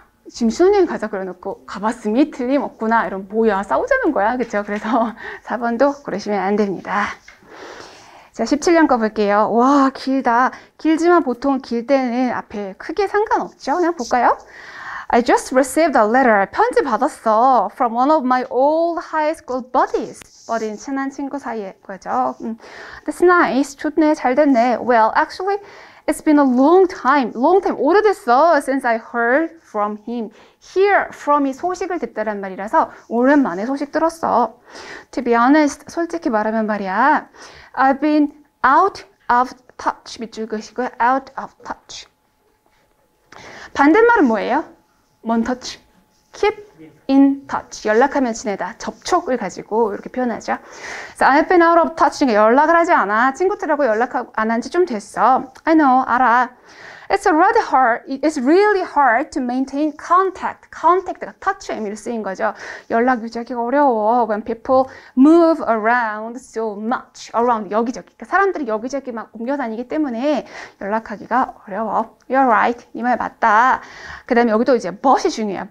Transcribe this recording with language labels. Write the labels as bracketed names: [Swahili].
[Korean] 지금 신혼여행 가자 그래놓고 가봤음이 틀림없구나. 이런 뭐야 싸우자는 거야. 그쵸? 그래서 4번도 고르시면 안 됩니다. 자, 17년 거 볼게요. 와, 길다. 길지만 보통 길 때는 앞에 크게 상관없죠. 그냥 볼까요? [English] I just received a letter. [Korean] 편지 받았어. [English] From one of my old high school buddies. [Korean] 버린 친한 친구 사이에 거죠. [English] That's nice. [Korean] 좋네. 잘 됐네. [English] Well, actually, it's been a long time. Long time. [Korean] 오래됐어. [English] Since I heard from him. [Korean] Hear from이 소식을 듣다란 말이라서 오랜만에 소식 들었어. [English] To be honest, [Korean] 솔직히 말하면 말이야. [English] I've been out of touch. [Korean] 밑줄 그으시고요. [English] Out of touch. [Korean] 반대말은 뭐예요? 먼 터치. [English] Keep in touch. [Korean] 연락하면 지내다. 접촉을 가지고 이렇게 표현하죠. [English] So I've been out of touch. [Korean] 연락을 하지 않아. 친구들하고 연락 안한지좀 됐어. [English] I know. [Korean] 알아. [English] It's really hard to maintain contact. [Korean] Contact가 touch 의 의미로 쓰인 거죠. 연락 유지하기가 어려워. [English] When people move around so much. [Korean] Around 여기저기. 그러니까 사람들이 여기저기 막 옮겨다니기 때문에 연락하기가 어려워. [English] You're right. [Korean] 이말 맞다. 그다음에 여기도 이제 but이 중요해요.